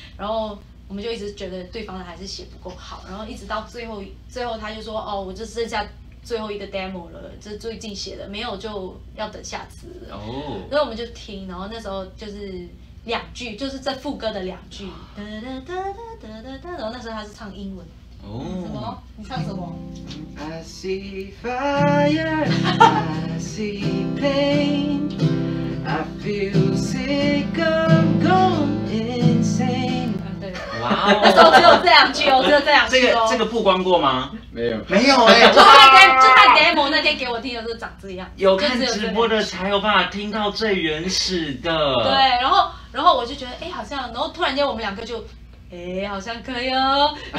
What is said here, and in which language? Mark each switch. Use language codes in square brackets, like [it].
[zh] 然后我们就一直觉得对方的还是写不够好，然后一直到最后他就说哦，我就剩下最后一个 demo 了，这最近写的没有就要等下次了。哦，所以我们就听，然后那时候就是。两句就是这副歌的两句，哒哒哒哒哒哒哒，然后那时候他是唱英文，哦，什么？你唱什么 [en] ？I see fire, I see pain, I feel sick, I'm gone insane。 [zh] 哇、wow, 哦！那时候只有这两句哦，只有这两句哦。这个曝光过吗？没有，没有哎、欸。就他 demo 那天给我听的是长这样。有看直播的才有办法听到最原始的。对，然后我就觉得哎、欸，好像，然后突然间我们两个就哎、欸，好像可以哦。